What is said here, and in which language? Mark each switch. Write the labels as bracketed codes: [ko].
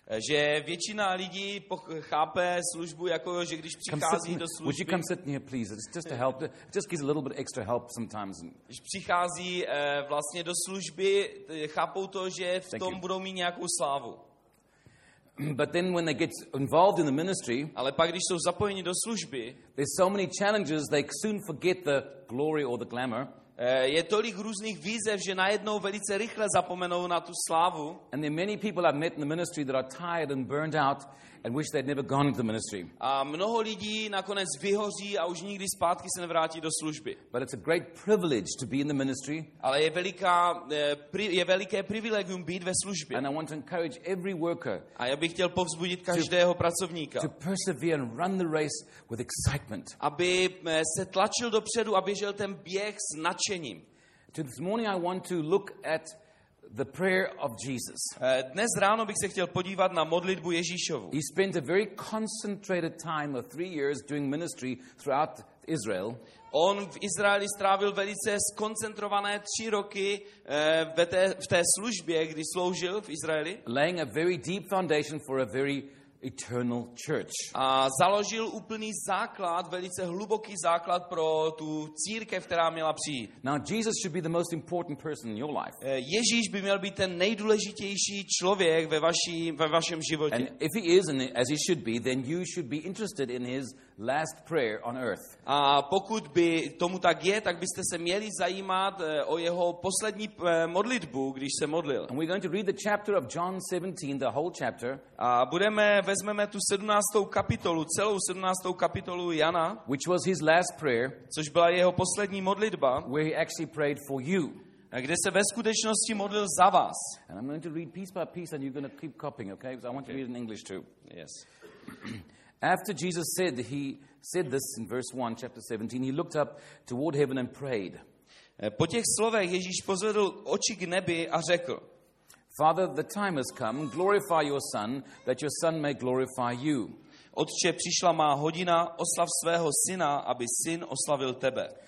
[cs] Že většina lidí chápe službu jako, že když přichází do služby. [en] Would you come sit near, please? It's just to help. It just gives a little bit extra help sometimes. [cs] Když přichází vlastně do služby, chápou to, že v tom budou mít nějakou slávu. [en] But then when they get involved in the ministry, [cs] ale pak když jsou zapojeni do služby, [en] there's so many challenges they soon forget the glory or the glamour. [cs] Je tolik různých výzev, že najednou velice rychle zapomenou na tu slávu. [en] And there are many people I've met in the ministry that are tired and burned out and wish they'd never gone into the ministry. [cs] A mnoho lidí nakonec vyhoří a už nikdy zpátky se nevrátí do služby. [en] But it's a great privilege to be in the ministry. [cs] Ale je veliká je veliké privilegium být ve službě. [en] And I want to encourage every worker. [cs] A já bych chtěl povzbudit každého pracovníka. [en] To persevere and run the race with excitement. [cs] Aby se tlačil dopředu, aby žil ten běh s nadšením. [en] So this morning I want to look at the prayer of Jesus. [cs] Dnes ráno bych se chtěl podívat na modlitbu Ježíšovu. [en] He spent a very concentrated time of 3 years doing ministry throughout Israel. [cs] On v Izraeli strávil velice skoncentrované 3 roky v té službě, kdy sloužil v Izraeli. [en] Laying a very deep foundation for a very eternal church. [cs] A založil úplný základ, velice hluboký základ pro tu církev, která měla přijít. [en] Now Jesus should be the most important person in your life. [cs] Ježíš by měl být ten nejdůležitější člověk ve vašem životě. [en] And if he is and as he should be, then you should be interested in his last prayer on earth. [cs] A pokud by tomu tak je, tak byste se měli zajímat o jeho poslední modlitbu, když se modlil. [en] And we're going to read the chapter of John 17, the whole chapter. [cs] A vezmeme tu 17. kapitolu, celou 17. kapitolu Jana, [en] which was his last prayer, [cs] což byla jeho poslední modlitba, [en] where he actually prayed for you. [cs] A kde se ve skutečnosti modlil za vás. [en] And I'm going to read piece by piece and you're going to keep copying, okay? Because I want to read in English too. Yes. After Jesus said, he said this in verse 1, chapter 17, he looked up toward heaven and prayed. [cs] Po těch slovech Ježíš pozvedl oči k nebi a řekl, [en] Father, the time has come. Glorify your son, that your son may glorify you. [cs] Otče, přišla má hodina, oslav svého syna, aby syn oslavil tebe.